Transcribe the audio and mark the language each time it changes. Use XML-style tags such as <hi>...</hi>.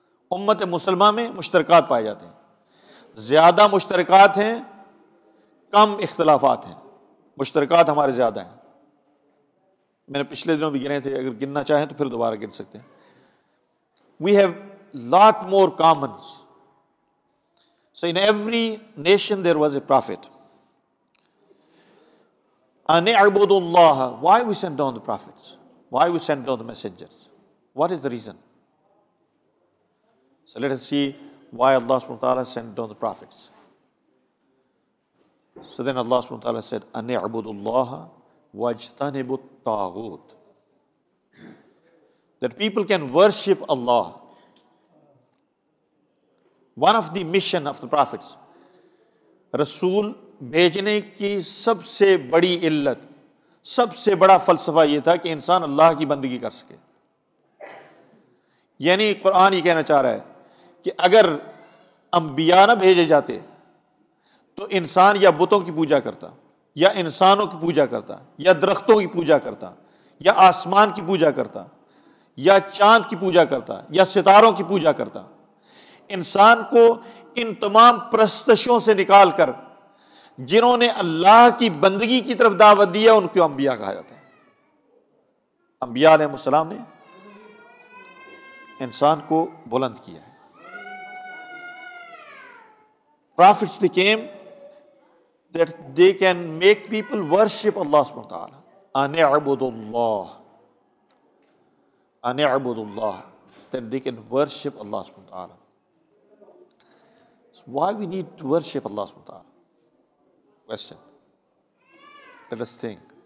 <ur>امت مسلمہ میں مشترکات پائے جاتے ہیں, زیادہ مشترکات ہیں کم اختلافات ہیں, مشترکات ہمارے زیادہ ہیں. میں نے پچھلے دنوں بھی گنے تھے, اگر گننا چاہیں تو پھر دوبارہ گن سکتے ہیں.</ur> <en>We have lot more commons. So in every nation there was a prophet.</en> <ar>ان اعبدوا اللہ,</ar> <en>Why we send down the prophets, why we send down the messengers, what is the reason? So let us see why Allah سبحانہ وتعالیٰ send down the prophets. So then Allah subhanahu wa ta'ala said,</en> <ar>أَنِ اعْبُدُ اللَّهَ وَاجْتَنِبُ الطَّاغُوتِ.</ar> <en>That people can worship Allah. One of the mission of the prophets.</en> <ur>رسول بھیجنے کی سب سے بڑی علت, سب سے بڑا فلسفہ یہ تھا کہ انسان اللہ کی بندگی کر سکے. یعنی قرآن یہ کہنا چاہ رہا ہے کہ اگر انبیاء نہ بھیجے جاتے تو انسان یا بتوں کی پوجا کرتا, یا انسانوں کی پوجا کرتا, یا درختوں کی پوجا کرتا, یا آسمان کی پوجا کرتا, یا چاند کی پوجا کرتا, یا ستاروں کی پوجا کرتا. انسان کو ان تمام پرستشوں سے نکال کر جنہوں نے اللہ کی بندگی کی طرف دعوت دیا, ان کو انبیاء کہا جاتا ہے. انبیاء علیہ السلام نے انسان کو بلند کیا ہے.</ur> <en>Prophets became that they can make people worship Allah subhanahu wa ta'ala.</en> <ar>Ani'budullah. Ani'budullah.</ar> <en>Then they can worship Allah subhanahu wa ta'ala. So why we need to worship Allah subhanahu wa ta'ala? Question. Let us think.</en>